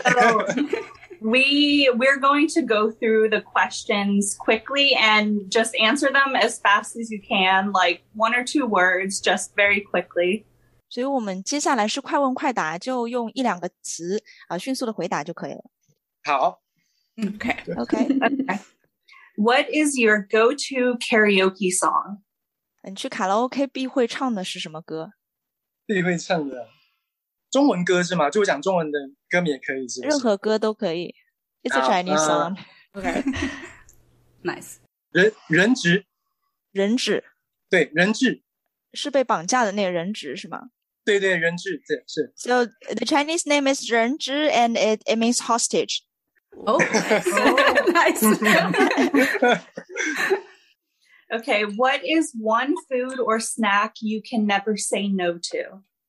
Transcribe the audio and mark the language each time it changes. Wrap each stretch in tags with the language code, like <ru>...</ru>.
<en>So we're going to go through the questions quickly and just answer them as fast as you can, like one or two words, just very quickly.</en> <zh>所以我们接下来是快问快答，就用一两个词，迅速的回答就可以了。好。</zh> <en>Okay. Okay. What is your go-to karaoke song?</en> <zh>你去卡拉OK必会唱的是什么歌? 必会唱的中文歌是吗? 就讲中文的歌名也可以是不是? 任何歌都可以。</zh> <en>It's a Chinese song. Okay. Nice.</en> <zh>人质? 人质? 对, 人质。是被绑架的那个人质是吗? 对对, 人质, 对, 是。</zh> <en>So the Chinese name is 人质 and it means hostage. Oh, nice. Okay, what is one food or snack you can never say no to?</en>